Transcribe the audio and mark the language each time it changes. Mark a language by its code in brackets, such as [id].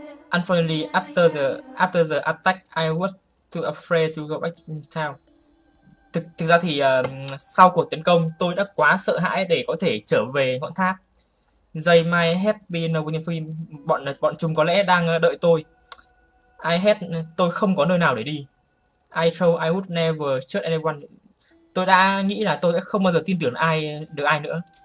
[en] Unfortunately, after the attack, I was too afraid to go back in town. [vi] Thực ra thì sau cuộc tấn công, tôi đã quá sợ hãi để có thể trở về ngọn tháp. [en] They might have been waiting for me. [vi] Bọn chúng có lẽ đang đợi tôi. Tôi không có nơi nào để đi. [en] I would never trust anyone. [vi] Tôi đã nghĩ là tôi sẽ không bao giờ tin tưởng ai được ai nữa.